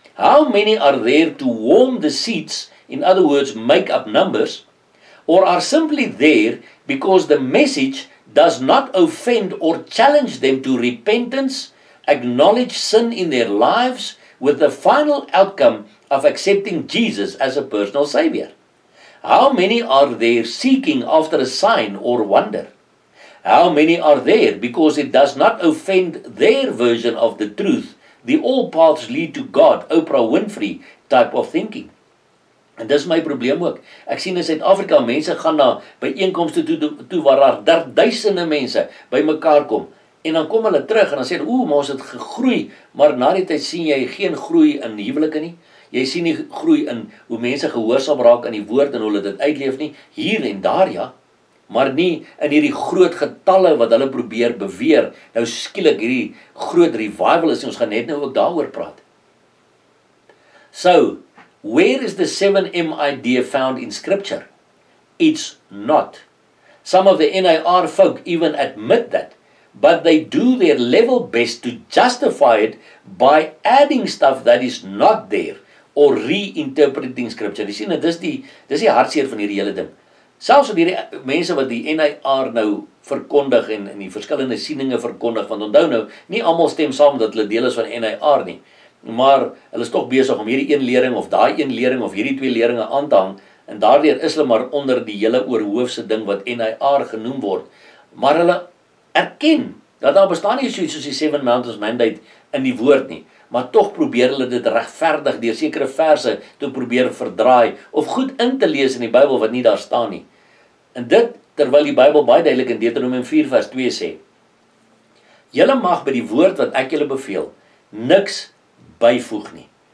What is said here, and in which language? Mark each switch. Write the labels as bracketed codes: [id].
[en] How many are there to warm the seats, in other words, make up numbers, or are simply there because the message does not offend or challenge them to repentance, acknowledge sin in their lives, with the final outcome of accepting Jesus as a personal savior? How many are there seeking after a sign or wonder? How many are there because it does not offend their version of the truth, the all paths lead to God, Oprah Winfrey type of thinking? [af] En dis my probleem ook. Ek sien in Suid-Afrika mense gaan na byeenkomste toe waar daar duisende mense by mekaar kom. En dan kom hulle terug en dan sê hulle, oeh, maar ons het gegroei. Maar na die tyd sien jy geen groei in huwelike nie. Jy sien nie groei in hoe mense gehoorsaam raak aan die woord en hulle dit uitleef nie. Hier en daar, ja. Maar nie in hierdie groot getalle wat hulle probeer beweer. Nou skielik hierdie groot revival is. Ons gaan net nou ook daaroor praat. [en] So, where is the 7M idea found in scripture? It's not. Some of the N.A.R. folk even admit that, but they do their level best to justify it by adding stuff that is not there or reinterpreting scripture. [af] Jy sien, dis die hartseer van hierdie hele ding. Selfs op hierdie mense wat die N.A.R. nou verkondig en in die verskillende sieninge verkondig, want onthou nou, nie almal stem saam dat hulle deel is van N.A.R. nie. Maar hulle is toch bezig om hierdie een lering of daai een lering of hierdie twee leringe aan te hang, en daardoor is hulle maar onder die hele oorhoofse ding wat N.A.R. genoem word. Maar hulle erken dat daar bestaan nie soos die Seven Mountains Mandate in die woord nie, maar toch probeer hulle dit regverdig deur sekere verse te probeer verdraai of goed in te lees in die Bybel wat nie daar staan nie. En dit terwyl die Bybel baie duidelik in Deuteronomium 4 vers 2 sê, julle mag by die woord wat ek julle beveel niks bijvoeg nie.